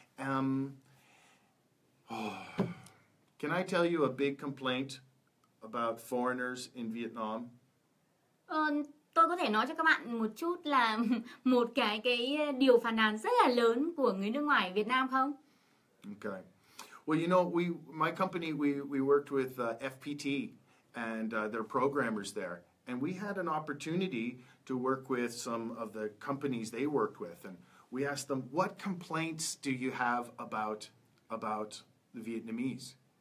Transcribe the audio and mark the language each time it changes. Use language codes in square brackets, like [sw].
[en] Can I tell you a big complaint about foreigners in Vietnam? [vi] Tôi có thể nói cho các bạn một chút là một cái điều phàn nàn rất là lớn của người nước ngoài Việt Nam không? [en] Okay. Well, you know, my company, we worked with FPT and their programmers there. And we had an opportunity to work with some of the companies they worked with. And we asked them, what complaints do you have about the Vietnamese?